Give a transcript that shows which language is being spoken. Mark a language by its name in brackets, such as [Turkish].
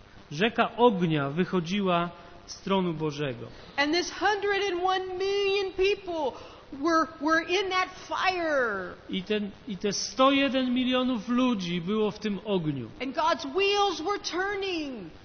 [Polish] Rzeka ognia wychodziła z tronu Bożego. [English] And this 101 million people were in that fire. [Polish] I te 101 milionów ludzi było w tym ogniu. [English] And God's wheels were turning.